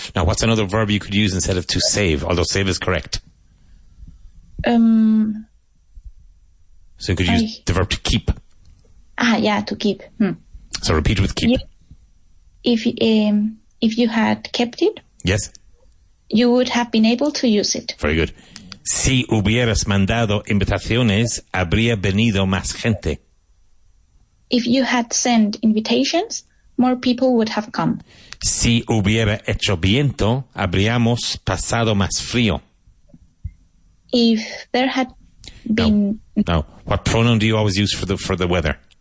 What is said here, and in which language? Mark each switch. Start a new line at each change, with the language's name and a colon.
English: Now, what's another verb you could use instead of to save, although save is correct? So you could use the verb to keep. Ah, yeah, to keep. Hmm. So repeat with keep. If you had kept it? Yes. You would have been able to use it. Very good.
Spanish: Si hubieras mandado invitaciones, habría venido más gente.
English: If you had sent invitations, more people would have come.
Spanish: Si hubiera hecho viento, habríamos pasado más frío.
English: If there had been... No. What pronoun do you always use for the weather?